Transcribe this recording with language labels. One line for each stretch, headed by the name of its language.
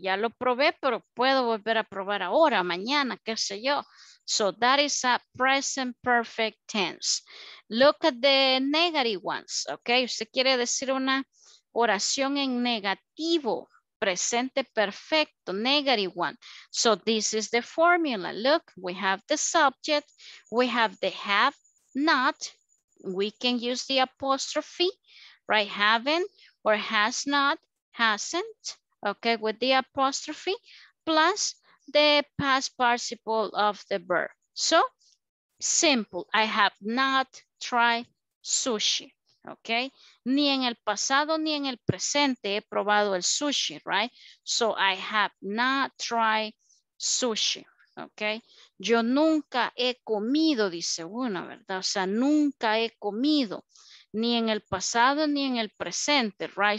Spanish: Ya lo probé, pero puedo volver a probar ahora, mañana, qué sé yo.
English: So that is a present perfect tense. Look at the negative ones, okay?
Spanish: Usted quiere decir una oración en negativo, presente perfecto,
English: negative one. So this is the formula. Look, we have the subject, we have the have not, we can use the apostrophe, right? Haven't or has not, hasn't, okay, with the apostrophe, plus the past participle of the verb. So simple, I have not tried sushi.
Spanish: Okay, ni en el pasado ni en el presente he probado el sushi, right?
English: So I have not tried sushi, okay?
Spanish: Yo nunca he comido, dice una, ¿verdad? O sea, nunca he comido, ni en el pasado ni en el presente, right?